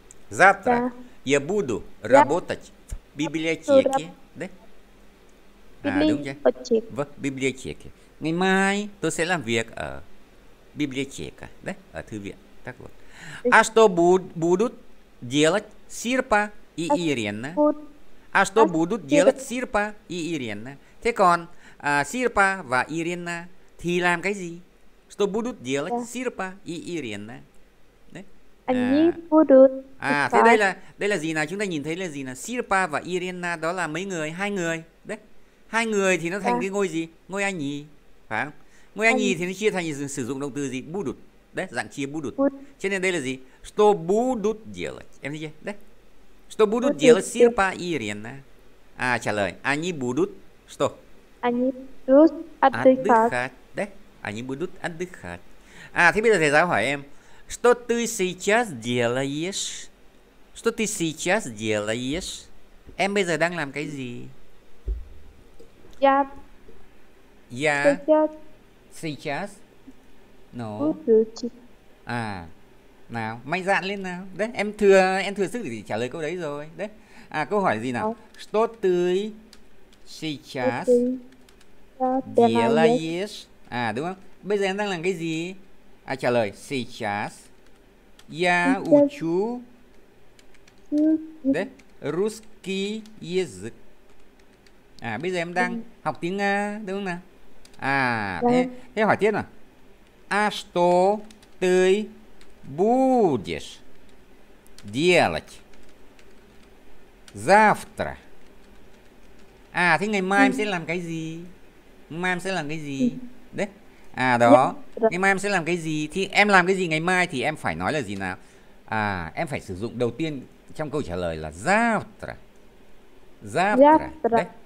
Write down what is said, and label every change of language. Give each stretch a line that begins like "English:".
Russian: Завтра я буду работать в библиотеке.
Vietnamese: À đúng chưa? Vâng, библиотеке. Ngày mai tôi sẽ làm việc ở библиотеке, đấy, ở thư viện, tác vụ.
Russian: А что будут делать Сирпа и Ирина? А что будут делать Сирпа и Ирина?
Vietnamese: Thế còn Сирпа và Ирина thì làm cái gì?
Russian: Что будут делать Сирпа и Ирина?
Vietnamese: Thế đây là gì nào? Chúng ta nhìn thấy là gì nào? Сирпа và Ирина đó là mấy người? Hai người, đấy. Hai người thì nó thành cái ngôi gì? Ngôi anh nhì, phải không? Ngôi anh nhì thì nó chia thành sử dụng động từ gì?
Russian: Будут.
Vietnamese: Đấy, dạng chia будут. Cho nên đây là gì?
Russian: Что будут делать?
Vietnamese: Em thấy chưa? Đấy.
Russian: Что будут делать Сирпа и Ирина? À, trả lời. Они будут. Что? Они будут отдыхать. Đấy. Они будут отдыхать.
Vietnamese: À, thế bây giờ thầy giáo hỏi em.
Russian: Что ты сейчас делаешь? Что ты сейчас делаешь?
Vietnamese: Em bây giờ đang làm cái gì?
Russian: Я сейчас
Vietnamese: но а nào mạnh dạn lên nào đấy em thừa sức để trả lời câu đấy rồi đấy. À câu hỏi gì nào?
Russian: Что ты сейчас делаешь?
Vietnamese: À đúng không? Бây giờ em đang làm cái gì? À trả lời
Russian: сейчас я учу đấy русский язык.
Vietnamese: À bây giờ em đang học tiếng Nga đúng không nào? À thế hỏi tiếp nào.
Russian: А что ты будешь делать завтра?
Vietnamese: À, thế ngày mai em sẽ làm cái gì? Mai em sẽ làm cái gì? Đấy. À, đó. Ngày mai em sẽ làm cái gì? Thì em làm cái gì ngày mai thì em phải nói là gì nào? À, em phải sử dụng đầu tiên trong câu trả lời là завтра.
Russian: Завтра. Đấy.